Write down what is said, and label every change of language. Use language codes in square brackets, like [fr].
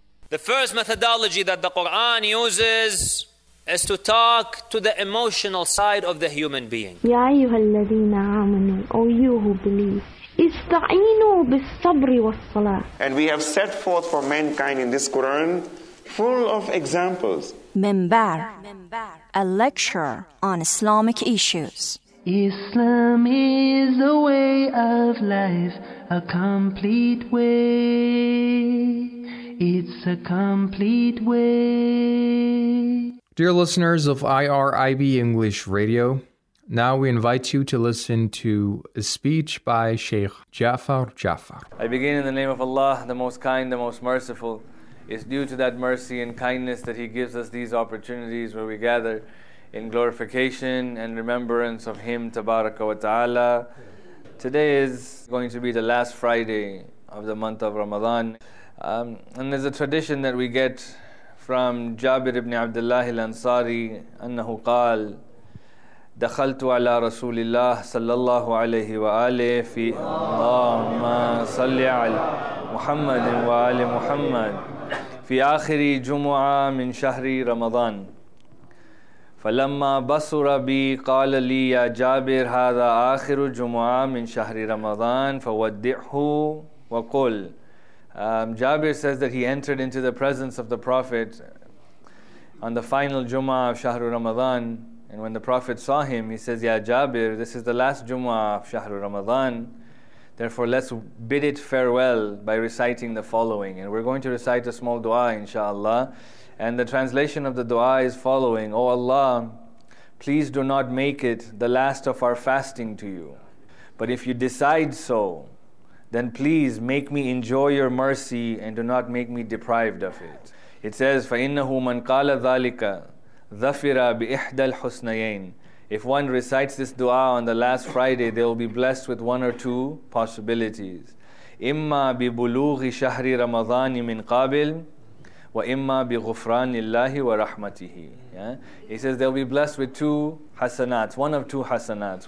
[en] The first methodology that the Quran uses is to talk to the emotional side of the human being. [ar] يا أيها الذين آمنوا, [en] O you who believe, [ar] استعينوا بالصبر والصلاة. [en] And we have set forth for mankind in this Quran full of examples. Minbar, a lecture on Islamic issues. Islam is a way of life, a complete way. It's a complete way. Dear listeners of IRIB English Radio, now we invite you to listen to a speech by Sheikh Jafar Jafar. I begin in the name of Allah, the most kind, the most merciful. It's due to that mercy and kindness that He gives us these opportunities where we gather in glorification and remembrance of Him, Tabaraka wa Ta'ala. Today is going to be the last Friday of the month of Ramadan. And there's a tradition that we get from Jabir ibn Abdullah al-Ansari, [ar] annahu qal, دخلت على رسول الله صلى الله عليه وآله في اللهم صل على محمد وآل محمد في آخر جمعة من شهر رمضان فلما بصر بي قال لي يا جابر هذا آخر جمعة من شهر رمضان فودعه وقل. [en] Jabir says that he entered into the presence of the Prophet on the final Jum'ah of Shahru Ramadan. And when the Prophet saw him, he says, Ya Jabir, this is the last Jum'ah of Shahru Ramadan. Therefore, let's bid it farewell by reciting the following. And we're going to recite a small dua, inshallah. And the translation of the dua is following. O Allah, please do not make it the last of our fasting to you. But if you decide so, then please make me enjoy your mercy and do not make me deprived of it. It says, [ar] فَإِنَّهُ مَنْ قَالَ ذَلِكَ ذَفِرَ بِإِحْدَى الْحُسْنَيَيْنِ. [en] If one recites this dua on the last Friday, they will be blessed with one or two possibilities. [ar] إِمَّا بِبُلُوغِ شَهْرِ رَمَضَانِ مِنْ قَابِلِ وَإِمَّا بِغُفْرَانِ اللَّهِ وَرَحْمَتِهِ. [en] Yeah? He says they'll be blessed with two hasanats, one of two hasanats.